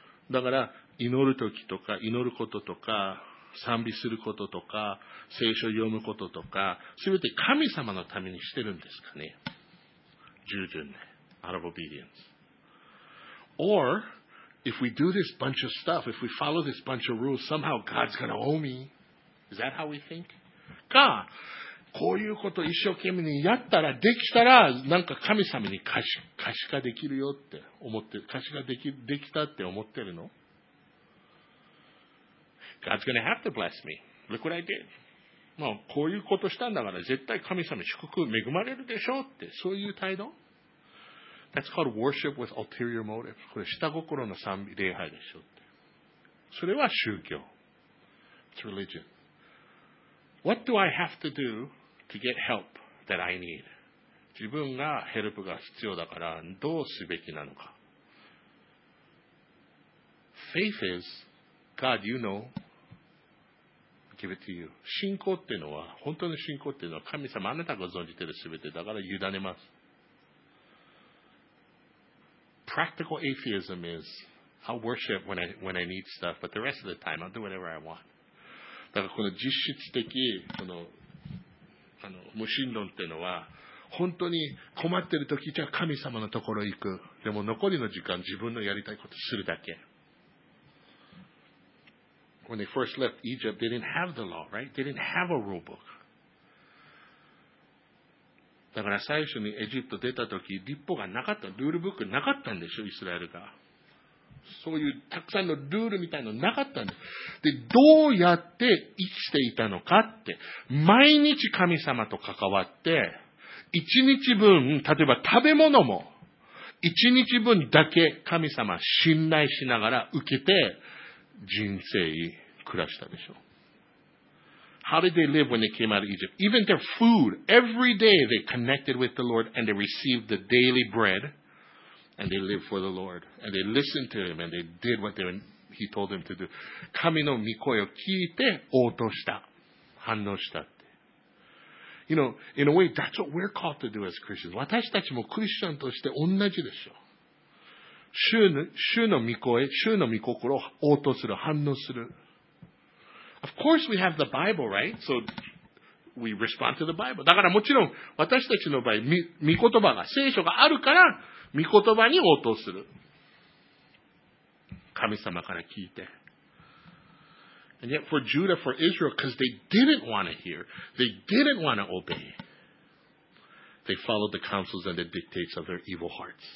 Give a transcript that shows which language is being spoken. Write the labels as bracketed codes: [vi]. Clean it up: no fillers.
[ja] だから祈る時とか祈ることとか賛美することとか聖書読むこととか、すべて神様のためにしてるんですかね？従順ね、 [en] out of obedience. Or if we do this bunch of stuff, if we follow this bunch of rules, somehow God's gonna owe me. Is that how we think? [ja] か。こういうことを一生懸命にやったらできたらなんか神様に可視化できるよって思って、可視化できたって思ってるの？ [en] God's gonna have to bless me. Look what I did. [ja] まあこういうことしたんだから絶対神様祝福恵まれるでしょうって、そういう態度？ [en] That's called worship with ulterior motives. [ja] これ下心の賛美礼拝でしょうって。それは宗教。 [en] It's religion. What do I have to do to get help that I need? [ja] 自分がヘルプが必要だからどうすべきなのか。 [en] Faith is, God, you know, give it to you. [ja] 信仰っていうのは、本当の信仰っていうのは、神様あなたが存じているすべてだから委ねます。 [en] Practical atheism is, I'll worship when I need stuff, but the rest of the time, I'll do whatever I want. [ja] だからこの実質的この無神論っていうのは、本当に困ってる時じゃ神様のところ行く、でも残りの時間自分のやりたいことするだけ。 [en] When they first left Egypt, they didn't have the law, right? They didn't have a rule book. [ja] だから最初にエジプト出た時、律法がなかった、ルールブックなかったんでしょ、イスラエルが。そういうたくさんのルールみたいなのなかったんです。で、どうやって生きていたのかって、毎日神様と関わって、一日分、例えば食べ物も、一日分だけ神様信頼しながら受けて、人生暮らしたでしょう。 [en] How did they live when they came out of Egypt? Even their food, every day they connected with the Lord and they received the daily bread. And they lived for the Lord. And they listened to him. And they did what he told them to do. [ja] 神の御声を聞いて応答した。反応したって。 [en] You know, in a way, that's what we're called to do as Christians. [ja] 私たちもクリスチャンとして同じでしょ。主の御心を応答する。反応する。 [en] Of course we have the Bible, right? So... We respond to the Bible. [ja] だからもちろん私たちの場合、御言葉が、聖書があるから御言葉に応答する。神様から聞いて。 [en] And yet for Judah, for Israel, because they didn't want to hear, they didn't want to obey, they followed the counsels and the dictates of their evil hearts.